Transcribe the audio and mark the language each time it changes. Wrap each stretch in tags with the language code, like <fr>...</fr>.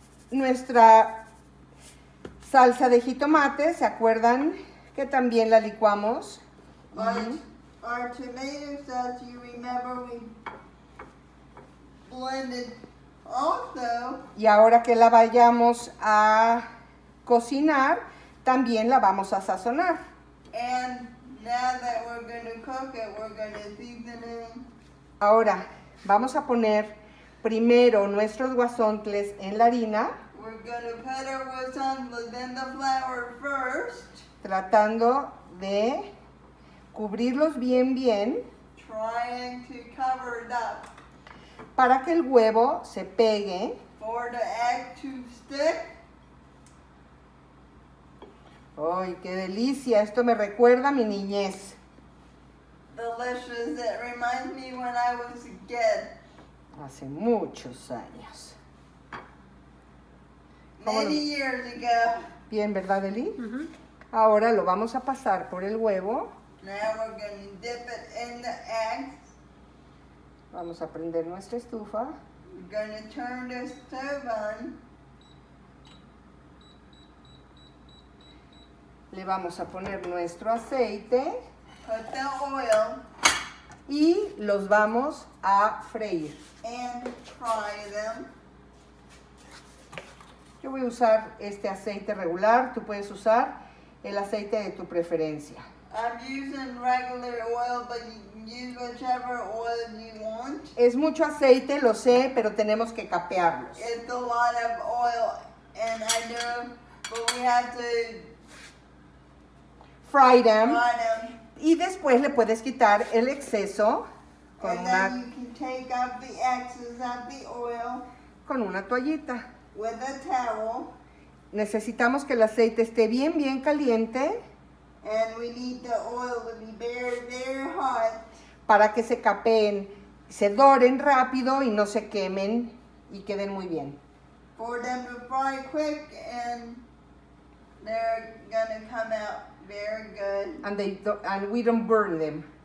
<es>Nuestra salsa de jitomate, ¿se acuerdan que también la licuamos?</es> <en>Our tomato sauce, you remember we blended also.</en> <es>Y ahora que la vayamos a cocinar, también la vamos a sazonar.</es> <en>And now that we're going to cook it, we're going to season it.</en> <es>Ahora, vamos a poner primero nuestros guasontles en la harina.</es> <en>We're gonna put our guasontles in the flour first.</en> <es>Tratando de cubrirlos bien, bien.</es> <en>Trying to cover it up.</en> <es>Para que el huevo se pegue.</es> <en>For the egg to stick.</en> <es>¡Ay, qué delicia! Esto me recuerda a mi niñez.</es> <en>Delicious. It reminds me when I was a kid.</en> <es>Hace muchos años.</es> <en>Many years ago.</en> <es>Bien, ¿verdad, Eli? Uh-huh. Ahora lo vamos a pasar por el huevo.</es> <en>Now we're going to dip it in the eggs.</en> <es>Vamos a prender nuestra estufa.</es> <en>We're going to turn the stove on.</en> <es>Le vamos a poner nuestro aceite.</es> <en>Put the oil.</en> <es>y los vamos a freír.</es> <en>And try them.</en> <es>Yo voy a usar este aceite regular, tú puedes usar el aceite de tu preferencia.</es> <en>I'm using regular oil, but you use whichever oil you want.</en> <es>Es mucho aceite, lo sé, pero tenemos que capearlos.</es> <en>It's a lot of oil, and I know, but we have to fry them. Fry them.</en> <es>Y después le puedes quitar el exceso con</es> <en>and then you can take out the excess of the oil</en> <es>con una toallita.</es> <en>With a towel.</en> <es>Necesitamos que el aceite esté bien, bien caliente.</es> <en>And we need the oil to be very, very hot.</en> <es>Para que se capeen, se doren rápido y no se quemen y queden muy bien.</es> <en>For them to fry quick and they're gonna come out very good. And we don't burn them.</en>